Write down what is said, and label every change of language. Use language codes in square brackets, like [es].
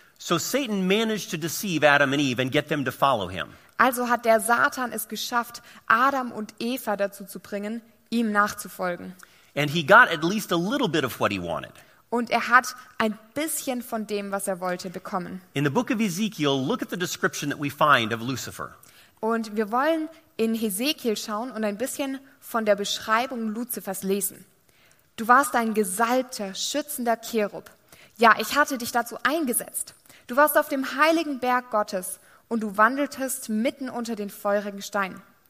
[en] So Satan managed to deceive Adam and Eve and get them to follow him. [de] Also hat der Satan es geschafft, Adam und Eva dazu zu bringen, ihm nachzufolgen. [en] And he got at least a little bit of what he wanted. [de] Und er hat ein bisschen von dem, was er wollte, bekommen. [en] In the book of Ezekiel, look at the description that we find of Lucifer. [de] Und wir wollen in Ezekiel schauen und ein bisschen von der Beschreibung Luzifers lesen. Du warst ein gesalbter, schützender Cherub. Ja, ich hatte dich dazu eingesetzt. Du warst auf dem heiligen Berg Gottes. Und du wandeltest mitten unter den feurigen Steinen.